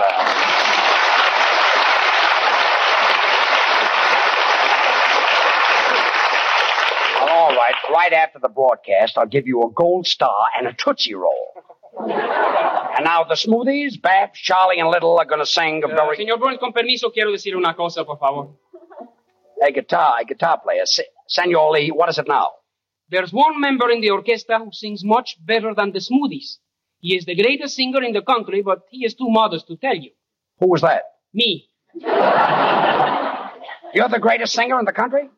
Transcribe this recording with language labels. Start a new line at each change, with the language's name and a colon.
English: Well, all right. Right after the broadcast, I'll give you a gold star and a Tootsie Roll. And now the smoothies, Babs, Charlie, and Little are going to sing a very...
Spanish: Señor Burns, con permiso, quiero decir una cosa, por favor.
English: Hey, guitar player, Señor Lee, what is it now? There's one member in the orchestra who sings much better than the smoothies. He is the greatest singer in the country, but he is too modest to tell you. Who was that? Me. You're the greatest singer in the country?